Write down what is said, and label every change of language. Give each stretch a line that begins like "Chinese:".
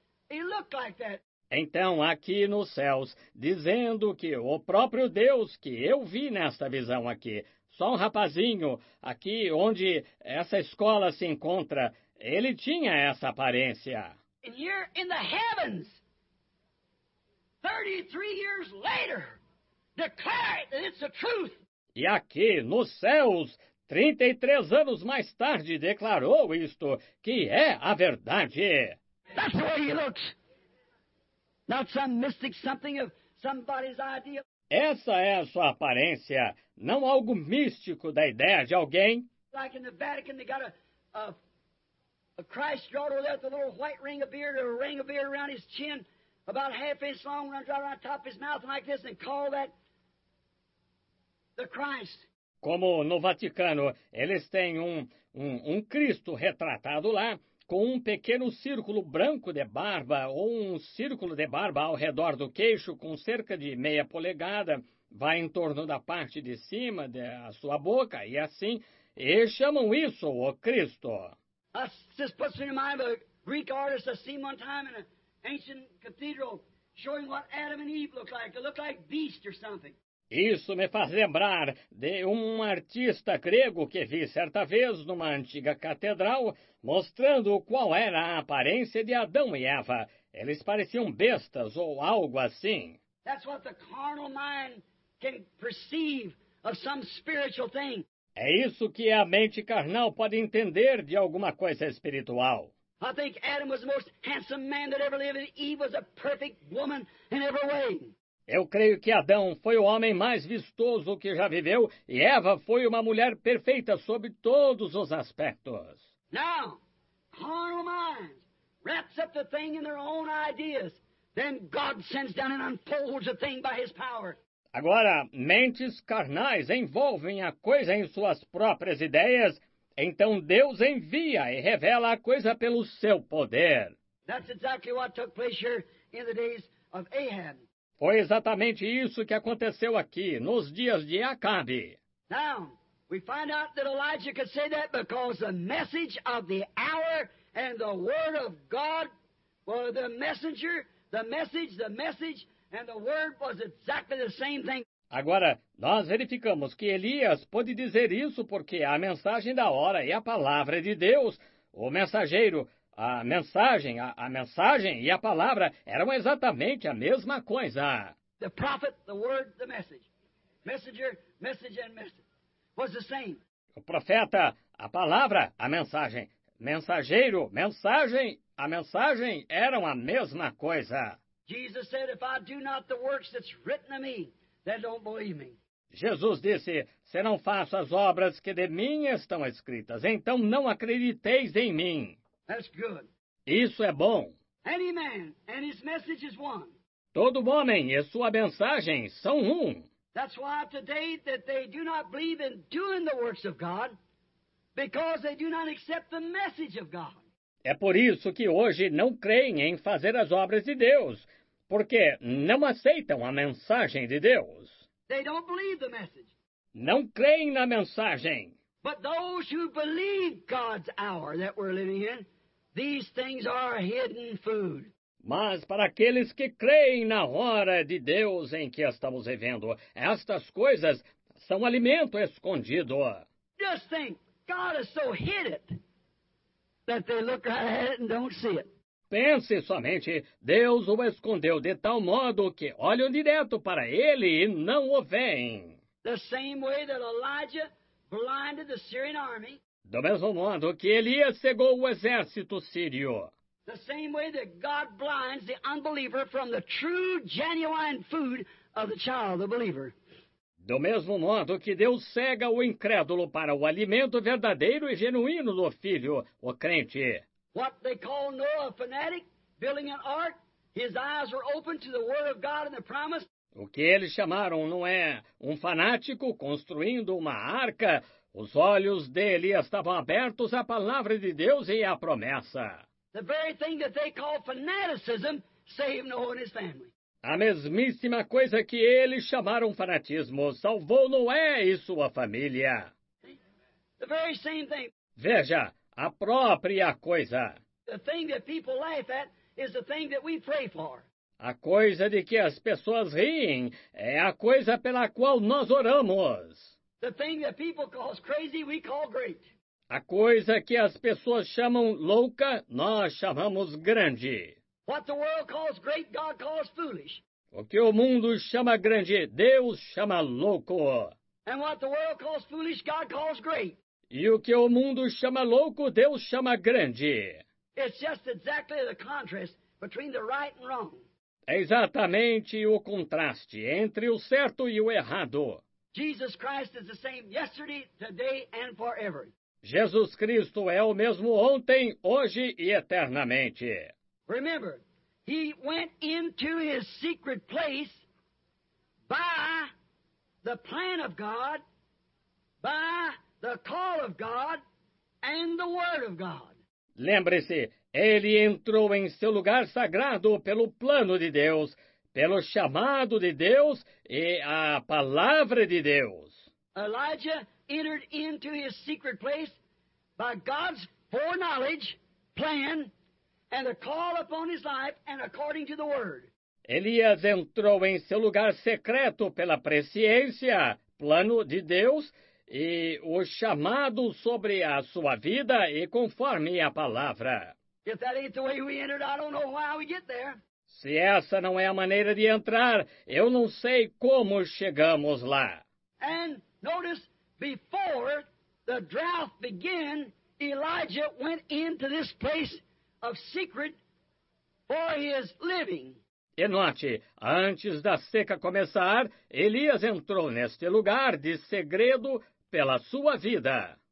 English: He looked like that.
Portuguese: Então, aqui nos céus, dizendo que o próprio Deus que eu vi nesta visão aqui, só um rapazinho, aqui onde essa escola se encontra, ele tinha essa aparência.
English: And here in the heavens, 33 years later, declare that it's the truth.
Portuguese: E aqui nos céus, 33 anos mais tarde, declarou isto, que é a verdade.
English: That's the way he looks. Not some mystic something of somebody's idea.
Portuguese: Essa é a sua aparência, não algo místico da ideia de alguém.
English: Like in the Vatican, they got a Christ drawn over there with a little white ring of beard, or a ring of beard around his chin, about a half inch long, runs right around the top of his mouth like this, and call that the Christ.
Portuguese: Como no Vaticano, eles têm um Cristo retratado lá, com um pequeno círculo branco de barba, ou um círculo de barba ao redor do queixo, com cerca de meia polegada, vai em torno da parte de cima da sua boca, e assim, e chamam isso o Cristo.
English: This puts me in mind of a Greek artist I seen one time in an ancient cathedral showing what Adam and Eve looked like. They looked like beasts or something.
Portuguese: Isso me faz lembrar de um artista grego que vi certa vez numa antiga catedral mostrando qual era a aparência de Adão e Eva. Eles pareciam bestas ou algo assim.
English: That's what the carnal mind can perceive of some spiritual thing.
Portuguese: É isso que a mente carnal pode entender de alguma coisa espiritual.
English: I think Adam was the most handsome man that ever lived, and Eve was a perfect woman in every way.
Portuguese: Eu creio que Adão foi o homem mais vistoso que já viveu e Eva foi uma mulher perfeita sob todos os aspectos.
English: Now, carnal minds wraps up the thing in their own ideas. Then God sends down and unfolds the thing by his power.
Portuguese: Agora, mentes carnais envolvem a coisa em suas próprias ideias, então Deus envia e revela a coisa pelo seu poder.
English: That's exactly what took place here in the days of Ahab.
Portuguese: Foi exatamente isso que aconteceu aqui nos dias de Acabe.
English: Now, we find out that Elijah could say that because the message of the hour and the word of God were the messenger, the message. And the word was exactly the same thing.
Portuguese: Agora, nós verificamos que Elias pôde dizer isso porque a mensagem da hora e a palavra de Deus, o mensageiro, a mensagem e a palavra eram exatamente a mesma coisa.
English: The prophet, the word, the message. Messenger, message and message. Was the same.
Portuguese: O profeta, a palavra, a mensagem. Mensageiro, mensagem, a mensagem eram a mesma coisa.
English: Jesus said, if I do not the works that's written of me, then don't believe me.
Portuguese: Jesus disse, se não faço as obras que de mim estão escritas, então não acrediteis em mim.
English: That's good.
Portuguese: Isso é bom.
English: Any man and his message is one.
Portuguese: Todo homem e sua mensagem são um.
English: That's why today that they do not believe in doing the works of God, because they do not accept the message of God.
Portuguese: É por isso que hoje não creem em fazer as obras de Deus, porque não aceitam a mensagem de Deus.
English: They don't believe the message.
Portuguese: Não creem na mensagem.
English: But those who believe God's hour that we're living in, these things are hidden food.
Portuguese: Mas para aqueles que creem na hora de Deus em que estamos vivendo, estas coisas são alimento escondido.
English: Just think, God is so hidden. That they look right at it and don't see it.
Portuguese: Pense somente, Deus o escondeu de tal modo que olham direto para ele e não o veem.
English: The same way that Elijah blinded the Syrian army.
Portuguese: Do mesmo modo que Elias cegou o exército sírio.
English: The same way that God blinds the unbeliever from the true, genuine food of the child, the believer.
Portuguese: Do mesmo modo que Deus cega o incrédulo para o alimento verdadeiro e genuíno do filho, o crente.
English: What they call Noah fanatic, building an ark, his eyes were open to the word of God and the promise.
Portuguese: O que eles chamaram Noé um fanático construindo uma arca, os olhos dele estavam abertos à palavra de Deus e à promessa.
English: The very thing that they call fanaticism saved Noah and his family.
Portuguese: A mesmíssima coisa que eles chamaram fanatismo salvou Noé e sua família.
English: The very same thing.
Portuguese: Veja, a própria coisa.
English: The thing that people laugh at is the thing that we pray for.
Portuguese: A coisa de que as pessoas riem é a coisa pela qual nós oramos.
English: The thing that people call crazy, we call great.
Portuguese: A coisa que as pessoas chamam louca, nós chamamos grande.
English: What the world calls great, God calls foolish.
Portuguese: O que o mundo chama grande, Deus chama louco.
English: And what the world calls foolish, God calls great.
Portuguese: E o que o mundo chama louco, Deus chama grande.
English: It's just exactly the contrast between the right and wrong.
Portuguese: É exatamente o contraste entre o certo e o errado.
English: Jesus Christ is the same yesterday, today and forever.
Portuguese: Jesus Cristo é o mesmo ontem, hoje e eternamente.
English: Remember, he went into his secret place by the plan of God, by the call of God, and the word of God.
Portuguese: Lembre-se, ele entrou em seu lugar sagrado pelo plano de Deus, pelo chamado de Deus e a palavra de Deus.
English: Elijah entered into his secret place by God's foreknowledge, plan, and a call upon his life and according to the word.
Portuguese: Elias entrou em seu lugar secreto pela presciência, plano de Deus, e o chamado sobre a sua vida e conforme a palavra.
English: If that ain't the way we entered, I don't know why we get there.
Portuguese: Se essa não é a maneira de entrar, eu não sei como chegamos lá.
English: And notice, before the drought began, Elijah went into this place of secret for his living.
Portuguese: E note, antes da seca começar, Elias entrou neste lugar de segredo pela sua vida.